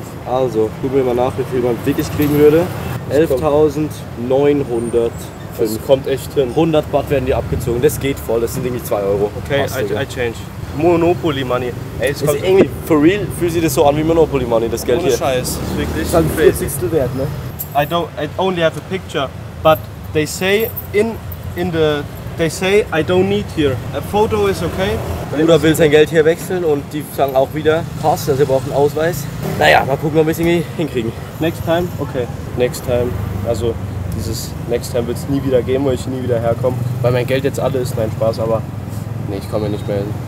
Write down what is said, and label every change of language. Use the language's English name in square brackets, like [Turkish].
[German] Also, gucken wir mal nach, wie viel man wirklich kriegen würde. 11.905. Das kommt echt hin. 100 Baht werden die abgezogen. Das geht voll. Das sind nämlich 2 Euro. [English] Okay, I change. Monopoly Money. [German] Ey, es kommt irgendwie, [English] for real, [German] fühlt sich das so an wie Monopoly Money, das Geld ohne hier. Ohne Scheiß, wirklich. Das ist ein 40stel wert, ne? [English] I only have a picture, but they say I don't need here. A photo is okay. [German] Bruder will sein Geld hier wechseln und die sagen auch wieder, krass, dass ihr braucht einen Ausweis. Naja, mal gucken, ob wir es irgendwie hinkriegen. [English] Next time? Okay. Next time. [German] Also, dieses Next time wird es nie wieder geben, weil ich nie wieder herkomme. Weil mein Geld jetzt alle ist, nein, Spaß, aber. Nee, ich komme ja nicht mehr hin.